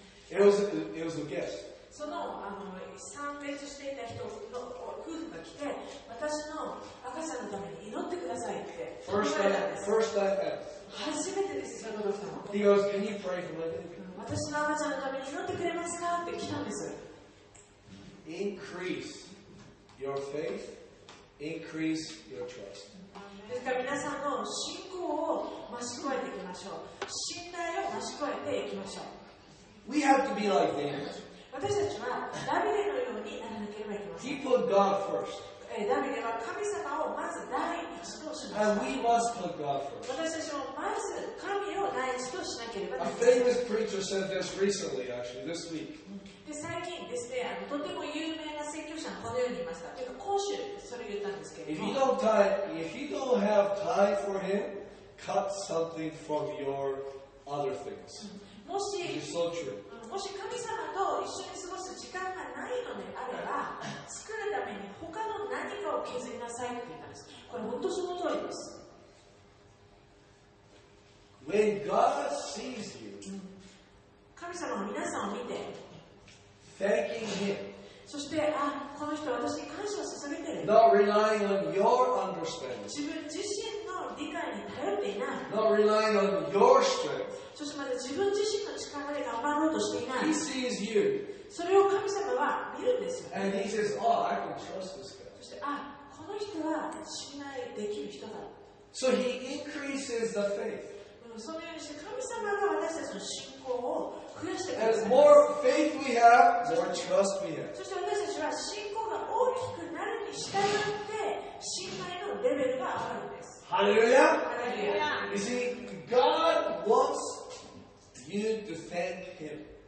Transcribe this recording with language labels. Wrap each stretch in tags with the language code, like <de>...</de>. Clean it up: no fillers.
<en>It was a guest.</en> <ja>その参列していた人の夫婦が来て、私の赤ちゃんのために祈ってくださいって頼まれたんです。</ja> <en>First time.</en> <ja>初めてです、そのお父さん。</ja> <en>He goes, can you pray for my baby?</en> <ja>私の赤ちゃんのために祈ってくれますかって来たんです。</ja> <en>Increase your faith, increase your trust.</en> <ja>ですから皆さんの信仰を増し加えていきましょう。信頼を増し加えていきましょう。</ja> <en>We have to be like them.</en> <ja>私たちはダビデのようにならなければいけません。</ja> <en>He put God first.</en> <ja>ダビデは神様をまず第一としました。</ja> <en>And we must put God first.</en> <ja>私たちもまず神を第一としなければいけません。</ja> <en>A famous preacher said this recently, actually, this week.</en> <ja>で最近ですね、とても有名な宣教師がこのように言いました。というか講師それを言ったんですけど。</ja> <en>If you don't tie, if you don't have tie for him, cut something from your other things.</en> <ja>もし、</ja> <en>It is so true.</en> <ja>もし神様と一緒に過ごす時間がないのであれば、作るために他の何かを削りなさいって言ったんです。これ本当その通りです。</ja> <en>When God sees you,</en> <ja>神様は皆さんを見て、</ja> <en>thanking Him,</en> <ja>そして、あ、この人は私に感謝を捧げてる。</ja> <en>Not relying on your understanding,</en> <ja>自分自身の理解に頼っていない。</ja> <en>Not relying on your strength.</en> <ja>そしてまた自分自身の力で頑張ろうとしていない。</ja> <en>He sees you.</en> <ja>それを神様は見るんですよ。</ja> <en>And he says, oh, I can trust this guy.</en> <ja>そして、あ、この人は信頼できる人だ。</ja> <en>So he increases the faith.</en> <ja>そのようにして神様が私たちの信仰を増やしてください</ja> <en>。 As more faith we have, more trust we have.</en> <ja>そして私たちは信仰が大きくなるに従って信頼のレベルが上がるんです。</ja> <en>Hallelujah! Hallelujah! You see, God wants you to thank Him.</en>